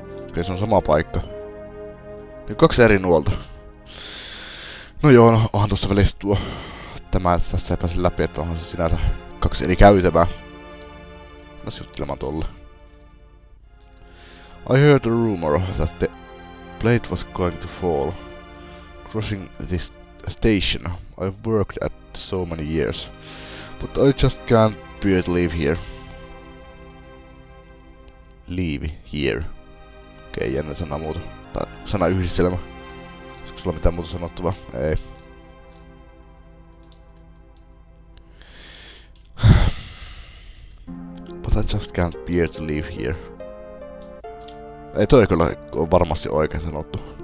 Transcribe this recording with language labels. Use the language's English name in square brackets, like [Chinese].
[Finnish] Okei, se on sama paikka. Nyt kaksi eri nuolta. No joo, no, onhan tuossa välissä tuo. Tämä, että tässä ei pääse läpi, että onhan se sinänsä kaksi eri käytävää. Lässä juttelemaan tolle. [English] I heard a rumor that the plate was going to fall. Crossing this station, I've worked at so many years. But I just can't bear to leave here. Leave here. [Finnish] Okei, jännä sana muuta. Tai sana yhdistelmä. Olisiko sulla mitään muuta sanottavaa? Ei. [English] But I just can't bear to leave here. [Finnish] Ei toi kyllä on varmasti oikein sanottu.